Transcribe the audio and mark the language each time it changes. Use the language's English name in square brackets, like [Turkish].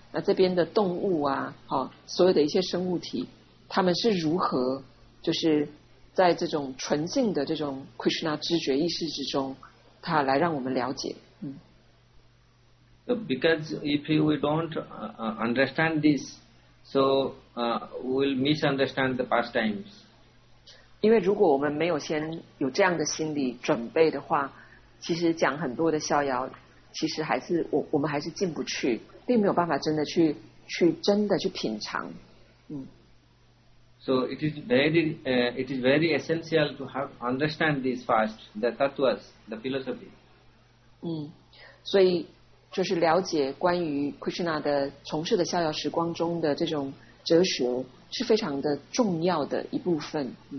[Chinese] 那这边的动物啊，好，所有的一些生物体，他们是如何就是在这种纯净的这种 Krishna 知觉意识之中，他来让我们了解。 [English] Because if we don't understand this, so we'll misunderstand the pastimes. [Chinese] 因为如果我们没有先有这样的心理准备的话，其实讲很多的逍遥，其实还是我们还是进不去，并没有办法真的去品尝。 [English] So it is very essential to have understand this first, the tattvas, the philosophy. [Chinese] 所以就是了解关于 Krishna 的从事的逍遥时光中的这种哲学是非常的重要的一部分。